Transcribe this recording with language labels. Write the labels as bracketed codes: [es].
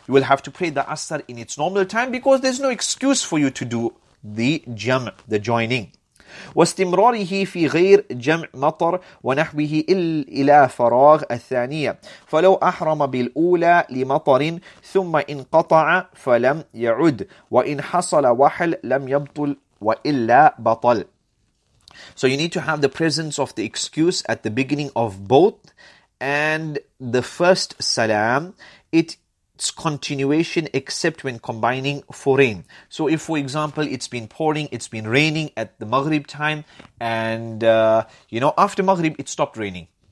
[en] You will have to pray the Asr in its normal time because there's no excuse for you to do the jam, the joining. [ar] واستمراره في غير جمع مطر ونحبه إلى فراغ الثانية فلو أحرم بالأولى لمطر ثم انقطع فلم يعد وإن حصل وحل لم يبطل وإلا بطل. [en] So you need to have the presence of the excuse at the beginning of both and the first salam, its continuation except when combining for rain. So if, for example, it's been pouring, it's been raining at the Maghrib time, and after Maghrib it stopped raining.